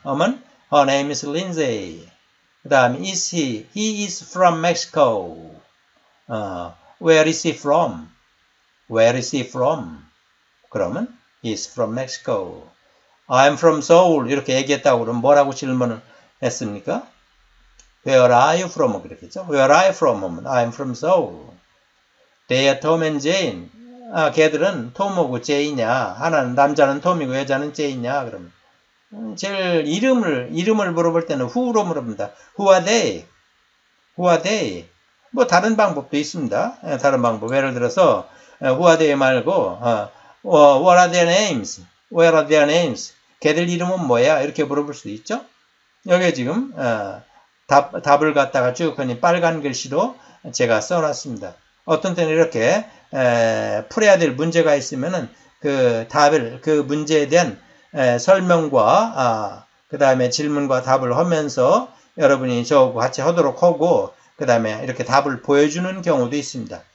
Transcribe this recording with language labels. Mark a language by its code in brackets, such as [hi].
[ko] 하면, [en] her name is Lindsay. [ko] 그 다음, [en] is he? He is from Mexico. Where is he from? Where is he from? [ko] 그러면, [en] he is from Mexico. I am from Seoul. [ko] 이렇게 얘기했다고 그러면 뭐라고 질문을 했습니까? [en] Where are you from? [ko] 그렇겠죠? [en] Where are you from? [ko] 하면, [en] I am from Seoul. They are Tom and Jane. [ko] 걔들은 톰하고 제이냐. 하나는 남자는 톰이고 여자는 제이냐. 그러면. 제일 이름을 물어볼 때는 who로 물어봅니다. [en] Who are they? Who are they? [ko] 뭐 다른 방법도 있습니다. 다른 방법. 예를 들어서 [en] who are they [ko] 말고 [en] what are their names? Where are their names? [ko] 걔들 이름은 뭐야? 이렇게 물어볼 수 있죠. 여기에 지금 답을 갖다가 쭉 그냥 빨간 글씨로 제가 써놨습니다. 어떤 때는 이렇게 풀어야 될 문제가 있으면은 그 답을 그 문제에 대한 설명과 그 다음에 질문과 답을 하면서 여러분이 저하고 같이 하도록 하고 그 다음에 이렇게 답을 보여주는 경우도 있습니다.